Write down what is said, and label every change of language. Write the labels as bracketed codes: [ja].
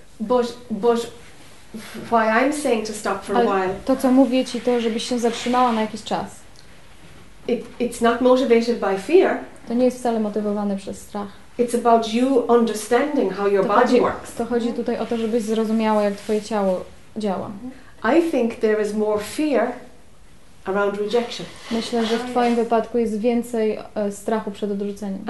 [en] But why I'm saying to stop for a while. [pl] To co mówię ci to, żebyś się zatrzymała na jakiś czas. [en] It's not motivated by fear. [pl] To nie jest wcale motywowane przez strach. [en] It's about you understanding how your body works. [pl] To chodzi tutaj o to, żebyś zrozumiała, jak twoje ciało działa. [en] I think there is more fear around rejection. [pl] Myślę, że w twoim wypadku jest więcej strachu przed odrzuceniem.